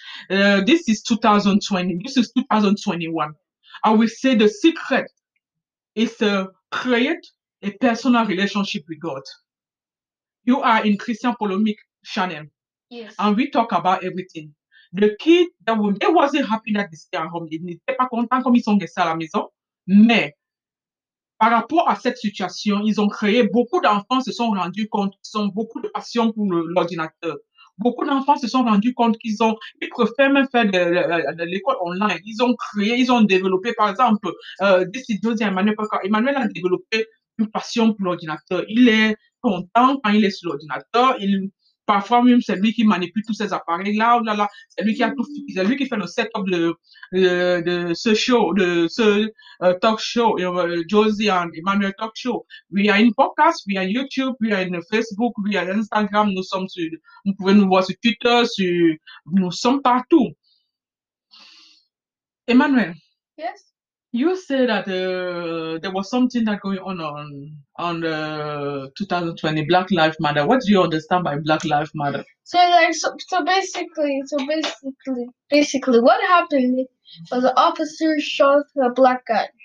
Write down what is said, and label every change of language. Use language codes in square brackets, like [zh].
[en] But this is 2020. This is 2021. I will say the secret is to create a personal relationship with God. You are in Christian Polemic Channel. Yes. And we talk about everything. The kid, they wasn't happy that they stay at home. [fr] They n'étaient pas contents comme ils sont restés à la maison. Mais, par rapport à cette situation, ils ont créé, beaucoup d'enfants se sont rendus compte qu'ils ont beaucoup de passion pour l'ordinateur. Beaucoup d'enfants se sont rendus compte qu'ils préfèrent même faire de l'école online. Ils ont créé, ils ont développé, par exemple, Emmanuel a développé une passion pour l'ordinateur. Il est content quand il est sur l'ordinateur. Parfois même, c'est lui qui manipule tous ces appareils là, là, là. C'est lui qui a tout, c'est lui qui fait le setup de ce show, de ce talk show, Josie and Emmanuel talk show. [en] We are in podcast, we are YouTube, we are in Facebook, we are Instagram. [fr] Nous sommes sur, vous pouvez nous voir sur Twitter, sur, nous sommes partout. [en] Emmanuel. Yes. You said that there was something that going on 2020, Black Lives Matter. What do you understand by Black Lives Matter? So basically, what happened was the officer shot a black guy.